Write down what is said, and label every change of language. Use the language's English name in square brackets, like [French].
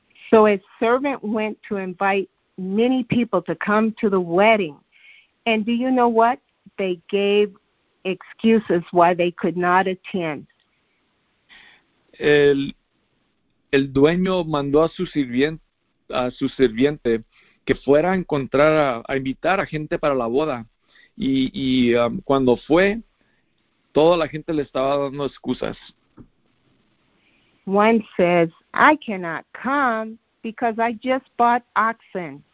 [English] So a servant went to invite many people to come to the wedding. And do you know what? They gave excuses why they could not attend. [Spanish] El dueño mandó a su sirviente que fuera a encontrar, a invitar a gente para la boda. Y cuando fue, toda la gente le estaba dando excusas. [English] One says, I cannot come because I just bought oxen.